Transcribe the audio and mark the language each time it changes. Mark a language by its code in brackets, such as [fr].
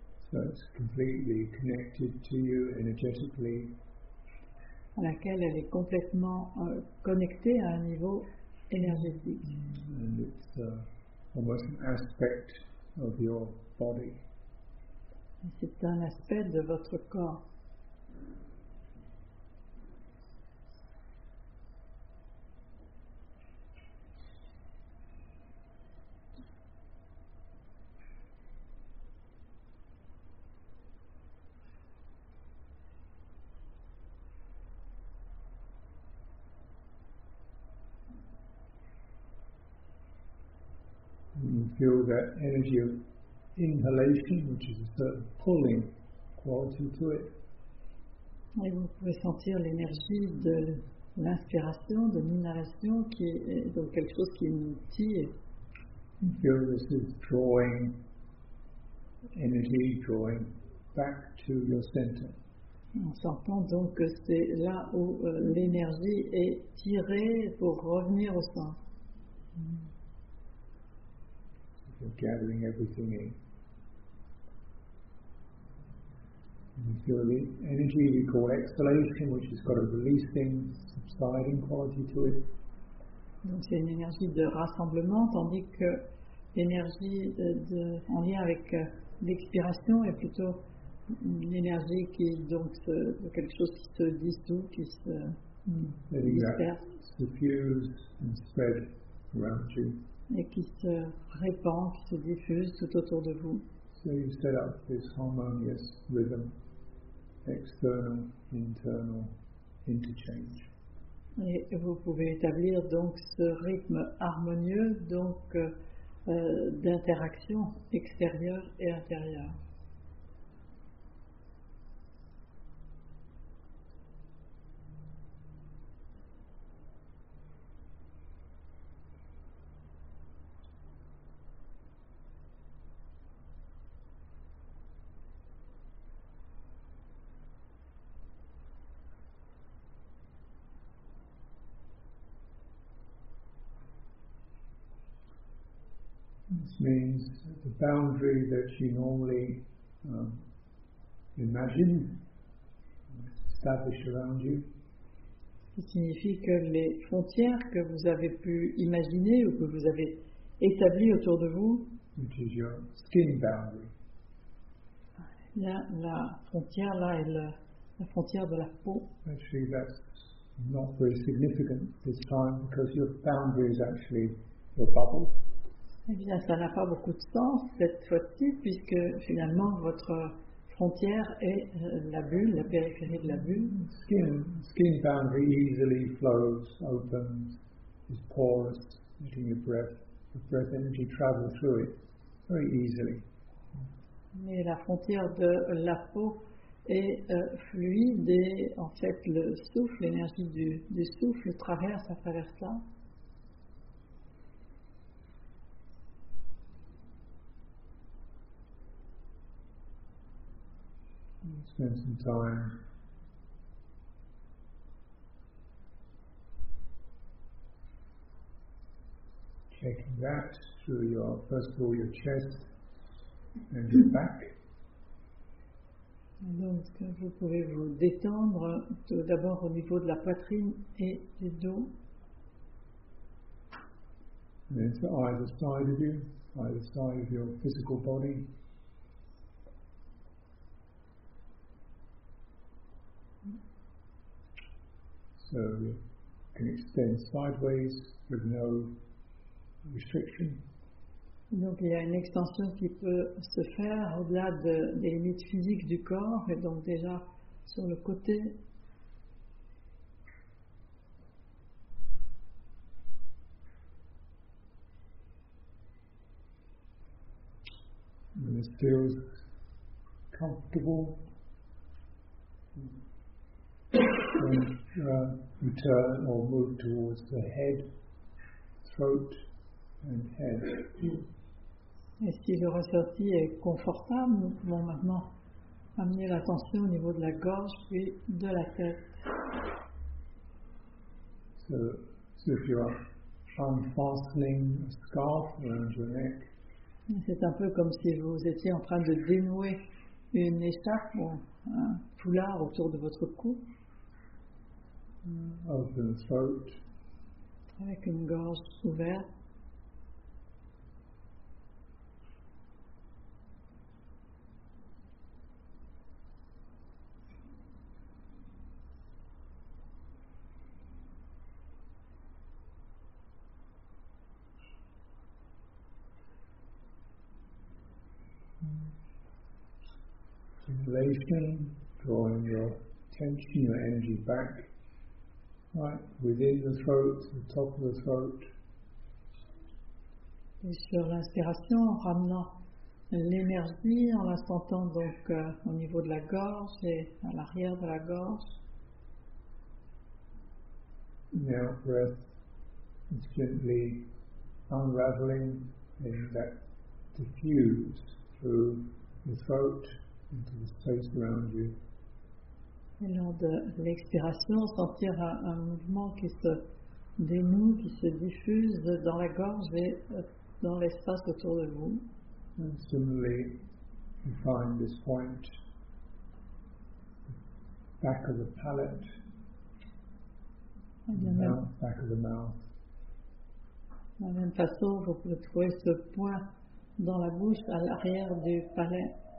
[en] So it's completely connected to you energetically. [fr] À laquelle elle est complètement connectée à un niveau énergétique. [en] And it's almost an aspect of your body. [fr] C'est un aspect de votre corps. [en] Feel that energy of inhalation, which is a certain pulling quality to it. [fr] Et vous pouvez sentir l'énergie de l'inspiration, de l'inhalation, qui est donc quelque chose qui nous tire. [en] You feel this is drawing energy, drawing back to your center. [fr] En sentant donc que c'est là où l'énergie est tirée pour revenir au centre. [en] You're gathering everything in. And you feel the energy we call exhalation, which has got a releasing, subsiding quality to it. [fr] Donc c'est une énergie de rassemblement, tandis que l'énergie en lien avec l'expiration est plutôt une énergie qui donc quelque chose qui se dissout, qui se disperse, [en] diffuse and spread around you. [fr] Et qui se répand, qui se diffuse tout autour de vous. [en] So you set up this harmonious rhythm, external, internal, interchange. [fr] Et vous pouvez établir donc ce rythme harmonieux donc d'interaction extérieure et intérieure. [en] This means the boundary that you normally imagine, establish around you. [fr] Ça signifie que les frontières que vous avez pu imaginer ou que vous avez établies autour de vous, [en] which is your skin boundary. [fr] Là, la frontière là est la frontière de la peau. [en] Actually, that's not very significant this time because your boundary is actually your bubble. [fr] Eh bien, ça n'a pas beaucoup de sens cette fois-ci, puisque finalement votre frontière est la bulle, la périphérie de la bulle. [en] Skin boundary easily flows, opens, is porous, letting your breath, the breath energy travel through it very easily. [fr] Mais la frontière de la peau est fluide et en fait le souffle, l'énergie du souffle traverse à travers ça. [en] Spend some time checking that through your, first of all, your chest and your back. [fr] Donc, vous pouvez vous détendre tout d'abord au niveau de la poitrine et du dos. [en] And then to either side of you, either side of your physical body. So you can extend sideways with no restriction. [fr] Donc il y a une extension qui peut se faire au-delà des limites physiques du corps, et donc déjà sur le côté. [en] And it feels comfortable. And return or move towards the head, throat, and head. [fr] Et si le ressenti est confortable, nous pouvons maintenant amener l'attention au niveau de la gorge puis de la tête. [en] So if you are unfastening a scarf around your neck. [fr] C'est un peu comme si vous étiez en train de dénouer une écharpe ou un foulard autour de votre cou. [en] Of the throat. [fr] Avec une gorge ouverte. [en] Inhalation, drawing your tension, your energy back, right within the throat, the top of the throat. [fr] Et sur l'inspiration, en ramenant l'énergie, en la sentant donc au niveau de la gorge et à l'arrière de la gorge. [en] The out-breath is gently unraveling, and that diffuses through the throat. Into the space around you. [fr] Et lors de l'expiration, sentir un mouvement qui se dénoue, qui se diffuse dans la gorge et dans l'espace autour de vous. [en] And similarly, you find this point, the back of the palate, the mouth, back of the mouth. [fr] De la même façon, vous pouvez trouver ce point dans la bouche à l'arrière du palais.